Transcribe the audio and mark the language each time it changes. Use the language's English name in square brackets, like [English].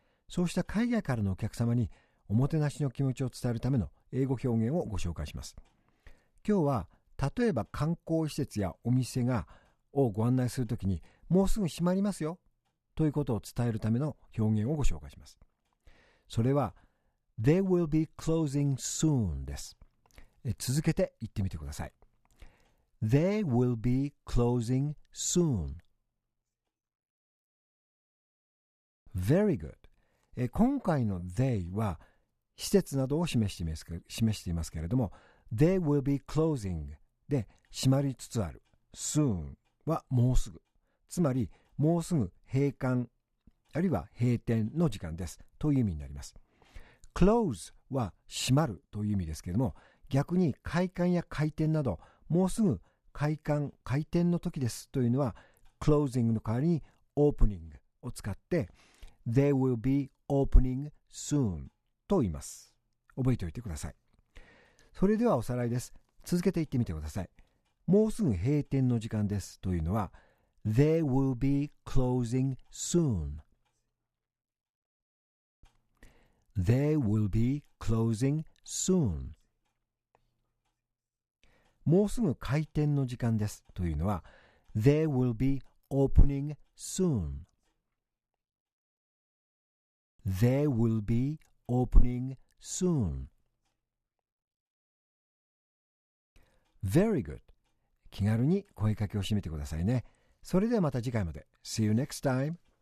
[Japanese] そうした海外からのお客様におもてなしの気持ちを伝えるための英語表現をご紹介します。今日は、例えば観光施設やお店がをご案内するときにもうすぐ閉まりますよということを伝えるための表現をご紹介します。それは、 [English] They will be closing soon [Japanese] です。続けて言ってみてください。 [English] They will be closing soon. Very good. [Japanese] 今回の they は施設などを示していますけれども、 [English] They will be closing [Japanese] で閉まりつつある。 Soon はもうすぐ。つまり、もうすぐ閉館、あるいは閉店の時間です。という意味になります。 Close は閉まるという意味ですけれども、逆に開館や開店など、もうすぐ開館、開店の時ですというのは、Closing の代わりに Opening を使って、 [English] They will be opening soon [Japanese] と言います。覚えておいてください。それではおさらいです。続けて言ってみてください。もうすぐ閉店の時間ですというのは、 [English] They will be closing soon. They will be closing soon. [Japanese] もうすぐ開店の時間ですというのは [English] They will be opening soon. They will be opening soon. Very good. [Japanese] 気軽に声かけを締めてくださいね。それではまた次回まで。 [English] See you next time.